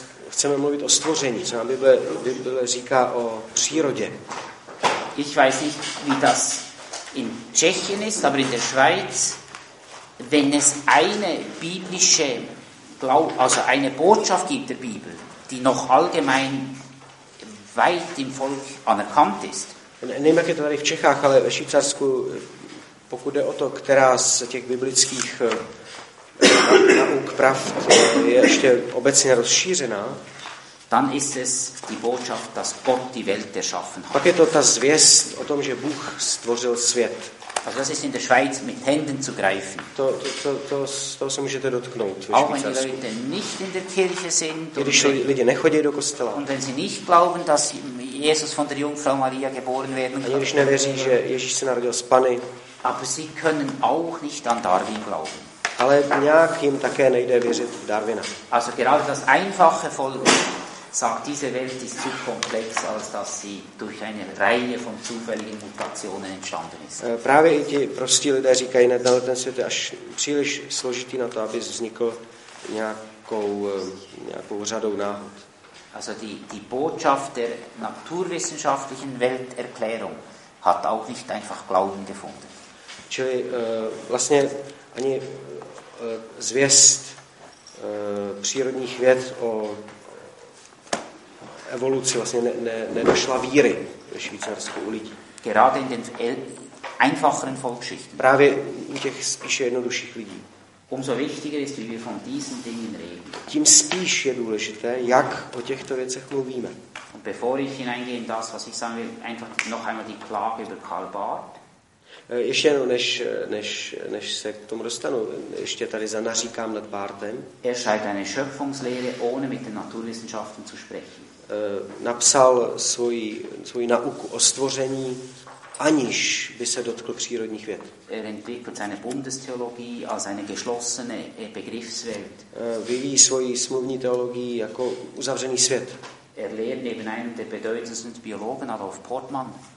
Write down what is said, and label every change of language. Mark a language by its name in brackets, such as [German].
[Czech] Chceme mluvit o stvoření, co nám Bible říká o přírodě. [German] Ich weiß nicht, wie das in Tschechien ist, aber in der Schweiz, wenn es eine biblische also eine Botschaft gibt der Bibel, die noch allgemein weit im Volk anerkannt ist. [Czech] Nevím, jak je to tady v Čechách, ale ve Švýcarsku, pokud jde o to, která z těch biblických nauk pravd je ještě obecně rozšířená. [German] Dann ist es die Botschaft, dass Gott die Welt erschaffen hat. [Czech] Pak je to ta zvěst o tom, že Bůh stvořil svět. [German] Also das ist in der Schweiz mit Händen zu greifen. [Czech] To se můžete dotknout. [German] Auch wenn die Leute nicht in der Kirche sind. [Czech] Když lidi nechodí do kostela. [German] Und wenn sie nicht glauben, dass Jesus von der Jungfrau Maria geboren werden kann. [Czech] A když nevěří, že Ježíš se narodil z Panny. [German] Aber sie können auch nicht an Darwin glauben. [Czech] Ale nějak jim také nejde věřit v Darwina. [German] Also gerade das einfache Volk sagt, diese Welt ist zu komplex, als dass sie durch eine Reihe von zufälligen Mutationen entstanden ist. [Czech] Právě i ti prostí lidé říkají, že ten svět je až příliš složitý na to, aby vznikl nějakou řadou náhod. [German] Also die Botschaft der naturwissenschaftlichen Welterklärung hat auch nicht einfach Glauben gefunden. [Czech] Čili vlastně ani zvěst přírodních věd o evoluci vlastně nedošla víry ve Švýcarsku u lidí. [German] Gerade in den einfacheren Volksschichten. [Czech] Právě u těch spíše jednodušších lidí. [German] Umso wichtiger ist, wie wir von diesen Dingen reden. [Czech] Tím spíš je důležité, jak o těchto věcech mluvíme. [German] Und bevor ich hineingehe in das, was ich sagen will, einfach noch einmal die Klage über Karl Barth. [Czech] Ještě jenom, než se k tomu dostanu, ještě tady zanaříkám nad Barthem. [German] Er schreibt eine Schöpfungslehre, ohne mit den Naturwissenschaften zu sprechen. [Czech] Napsal svoji nauku o stvoření aniž by se dotkl přírodních věd. [German] Er entwickelt seine Bundestheologie als eine geschlossene Begriffswelt. [Czech] Vyvíjí svoji smluvní teologii jako uzavřený svět. [German] Er lehrt neben einem der bedeutendsten Biologen Adolf Portmann.